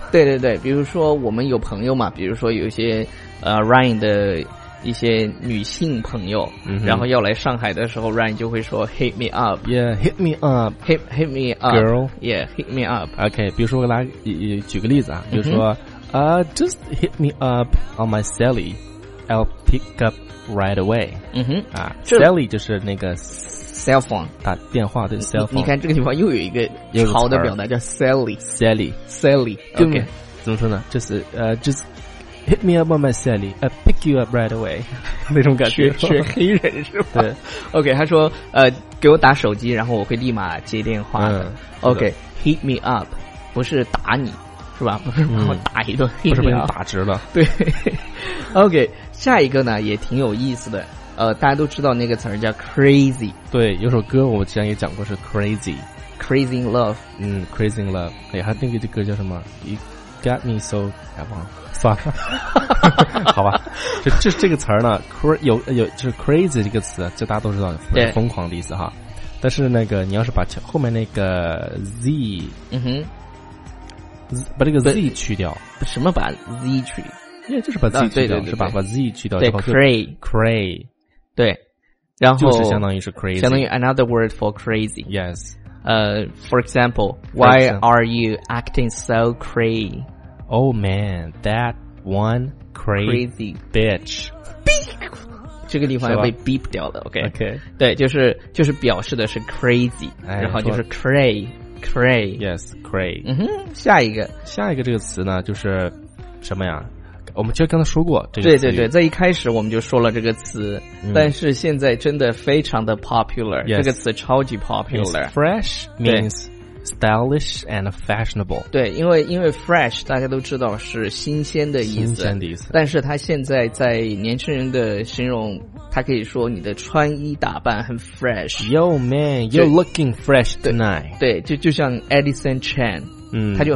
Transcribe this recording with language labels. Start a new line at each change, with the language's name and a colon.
Chinese: 对对对，比如说我们有朋友嘛，比如说有一些Ryan 的一些女性朋友、然后要来上海的时候 Ryan 就会说 hit me up，
English: yeah hit me up， hit me up girl， yeah hit me up， OK，比如说我来举个例子啊，比如说 just hit me up on my cellie， I'll pick upright away，
Chinese: 嗯哼，啊 ，Sally 就是那个
English: cell phone
Chinese: 打电话的 cell phone。你看这个地方又有一个好的表达叫 Sally，Sally，Sally， OK， 怎么说呢？
English: 就是 just hit me up on my Sally， I pick you up right away，那种感觉。
Chinese: 学黑人是吧？对，OK， 他说给我打手机，然后我会立马接电话的。 OK， hit me up，不是打你是吧？不是把我打一顿，不是被你打直了。对 ，OK。下一个呢也挺有意思的，大家都知道那个词儿叫 crazy，对，有首歌我之前也讲过是 crazy，
English: crazy in love，
Chinese: 嗯， crazy in love， 哎呀，那个这歌叫什么？ You got me so，哎，忘了，算了，好吧，这个词儿呢，有就是 crazy 这个词，就大家都知道是疯狂的意思哈，但是那个你要是把后面那个 z，嗯哼，把这个 z 去掉，什么把 z 去？因为就是把 Z 去掉，对对对对，是把 Z 去掉之后就 cray， 对，然后就是相当于是 crazy，
English: 相当于 another word for crazy。 Yes， for example， why are you acting so cray？ Oh man， that one crazy bitch，
Chinese: beep， 这个地方要被 beep 掉了。
English: OK， OK，
Chinese: 对，就是表示的是 crazy，、哎、然后就是 cray，
English: yes， cray。
Chinese: 嗯哼，下一个这个词呢，就是什么呀？我们其实刚才说过这个词，对对对，在一开始我们就说了这个词、但是现在真的非常的 popular、这个词超级 popular。
English: means fresh means stylish and fashionable，
Chinese: 对，因为 fresh 大家都知道是新鲜的意思，新鲜的意思，但是它现在在年轻人的形容，它可以说你的穿衣打扮很 fresh。
English: Yo man， you're looking fresh tonight。
Chinese: 对，就像 Edison Chan， 他就